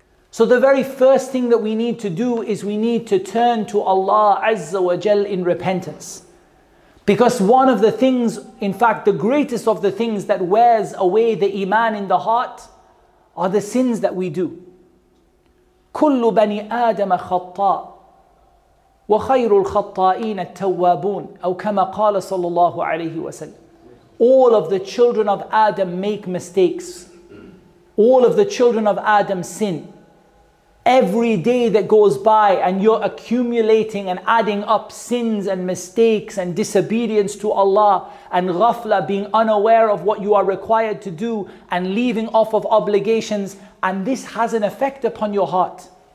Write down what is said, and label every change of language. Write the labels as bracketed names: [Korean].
[English] So the very first thing that we need to do is we need to turn to Allah Azza wa Jal in repentance. Because one of the things, in fact the greatest of the things that wears away the iman in the heart, are the sins that we do. [Arabic] كل بني آدم خطاء وخير الخطائين التوابون أو كما قال صلى الله عليه وسلم. [English] All of the children of Adam make mistakes. All of the children of Adam sin. Every day that goes by and you're accumulating and adding up sins and mistakes and disobedience to Allah and ghafla, being unaware of what you are required to do and leaving off of obligations, and this has an effect upon your heart.